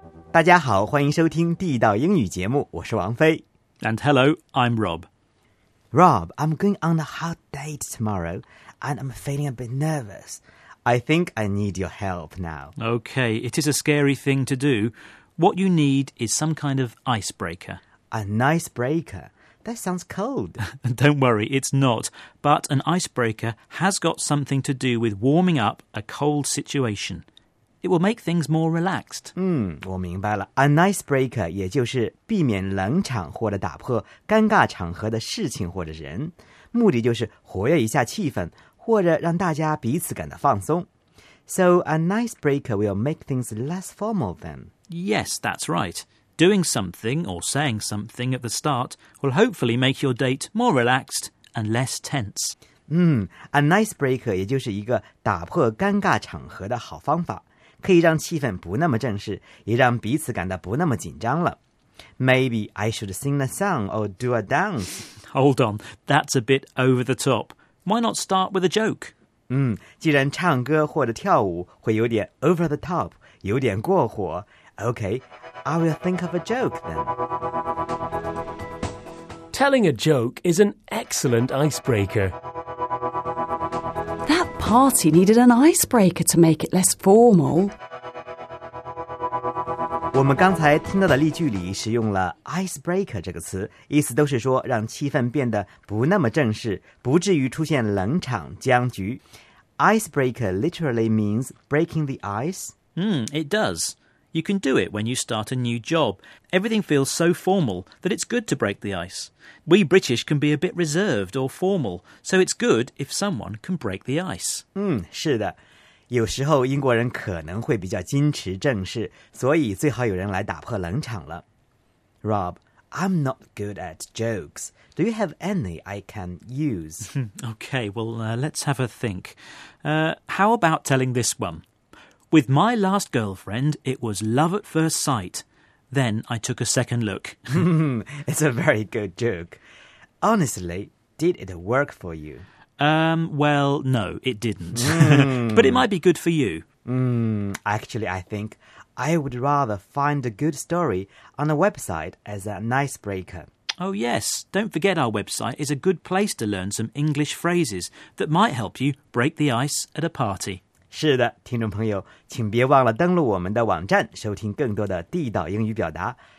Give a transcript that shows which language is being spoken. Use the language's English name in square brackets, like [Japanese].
[Chinese] 大家好，欢迎收听地道英语节目，我是王飞。 [English] And hello, I'm Rob. Rob, I'm going on a hot date tomorrow, and I'm feeling a bit nervous. I think I need your help now. Okay, it is a scary thing to do. What you need is some kind of icebreaker. An icebreaker? That sounds cold. Don't worry, it's not. But an icebreaker has got something to do with warming up a cold situation. It will make things more relaxed. [Chinese] 我明白了。An icebreaker 也就是避免冷场或者打破尴尬场合的事情或者人。目的就是活跃一下气氛或者让大家彼此感到放松。 [English] So an icebreaker will make things less formal then. Yes, that's right. Doing something or saying something at the start will hopefully make your date more relaxed and less tense. [Chinese] An icebreaker 也就是一个打破尴尬场合的好方法。可以让气氛不那么正式，也让彼此感到不那么紧张了。 [English] Maybe I should sing a song or do a dance. Hold on, that's a bit over the top. Why not start with a joke? [Chinese] 既然唱歌或者跳舞会有点 [English] over the top, [Chinese] 有点过火。 [English] Okay, I will think of a joke then. Telling a joke is an excellent icebreaker. The party needed an icebreaker to make it less formal. [Chinese] 我们刚才听到的例句里使用了 icebreaker 这个词，意思都是说让气氛变得不那么正式，不至于出现冷场僵局。 [English] Icebreaker literally means breaking the ice. It does. You can do it when you start a new job. Everything feels so formal that it's good to break the ice. We British can be a bit reserved or formal, so it's good if someone can break the ice. [Chinese] 是的。有时候英国人可能会比较矜持正式，所以最好有人来打破冷场了。 [English] Rob, I'm not good at jokes. Do you have any I can use? Okay, well, let's have a think. How about telling this one? With my last girlfriend, it was love at first sight. Then I took a second look. It's a very good joke. Honestly, did it work for you? Well, no, it didn't. But it might be good for you. Actually, I think I would rather find a good story on a website as an icebreaker. Oh, yes. Don't forget our website is a good place to learn some English phrases that might help you break the ice at a party. [Chinese] 是的，听众朋友，请别忘了登录我们的网站，收听更多的地道英语表达。